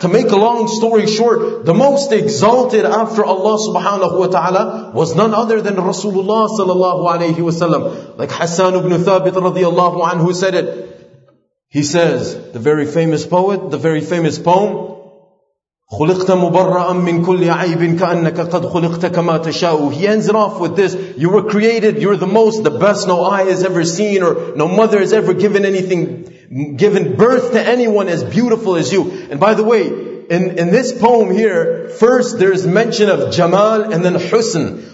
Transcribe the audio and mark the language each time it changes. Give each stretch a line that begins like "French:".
English: To make a long story short, the most exalted after Allah subhanahu wa ta'ala was none other than Rasulullah sallallahu alayhi wa sallam. Like Hassan ibn Thabit radiallahu anhu said it. He says, the very famous poet, the very famous poem,
Arabic: خلقت مبرئا من كل عيب كأنك قد خلقت كما تشاء.
English: He ends it off with this: you were created, you're the most, the best. No eye has ever seen, or no mother has ever given birth to anyone as beautiful as you. And by the way, in this poem here, first there's mention of Jamal and then Husn.